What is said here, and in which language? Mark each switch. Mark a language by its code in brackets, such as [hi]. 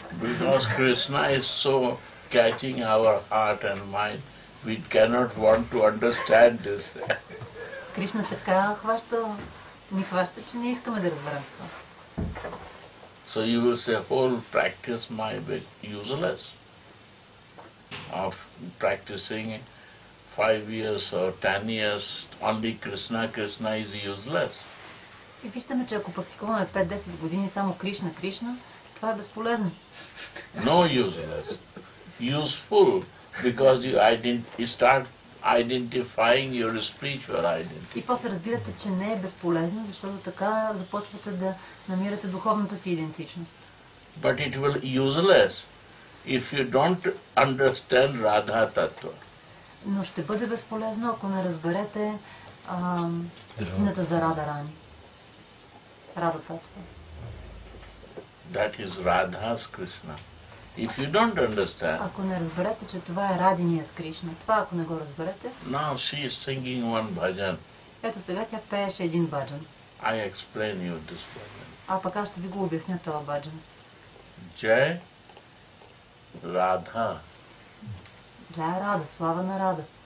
[en] Because Krishna is so catching our heart and mind, we cannot want to understand this. [bg] Кришна така хваща, ни хваща, че не искаме да разберем това. [en] So you will say, whole practice might be useless. of practicing 5 years or 10 years only Krishna, Krishna is useless. [bg] И виждаме, че ако практикуваме 5-10 години само Кришна, Кришна, това е безполезно. [en] No useless. Useful, because you start identifying your spiritual identity. [bg] И после разбирате, че не е безполезно, защото така започвате да намирате духовната си идентичност. [en] But it will be useless if you don't understand Radha Tattva. [bg] Но ще бъде безполезно, ако не разберете истината за Рада Рани. [en] That is Radha's Krishna. If you don't understand. [bg] Ако не разберете, че това е Радиният Кришна, това ако не го разберете. [en] Now she is singing one bhajan. [bg] Ето сега тя пееше един баджан. [en] I explain you this bhajan. [bg] А пък аз ще ви го обясня това баджан. [hi] Jai Radha. [bg] Jai Radha, слава на Рада.